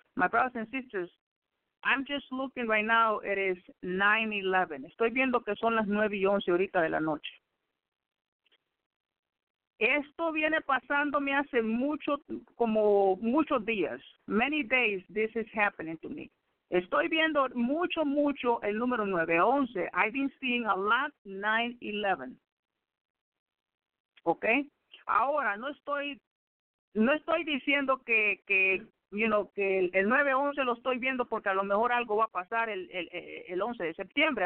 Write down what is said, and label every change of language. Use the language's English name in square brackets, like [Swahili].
[English] My brothers and sisters, I'm just looking right now, it is 9:11. [Spanish] Estoy viendo que son las 9:11 ahorita de la noche. Esto viene pasándome hace mucho, como muchos días. [English] Many days this is happening to me. [Spanish] Estoy viendo mucho, mucho el número 9:11. [English] I've been seeing a lot 9:11. Okay? [Spanish] Ahora, No estoy diciendo que el 9-11 lo estoy viendo porque a lo mejor algo va a pasar el 11 de septiembre.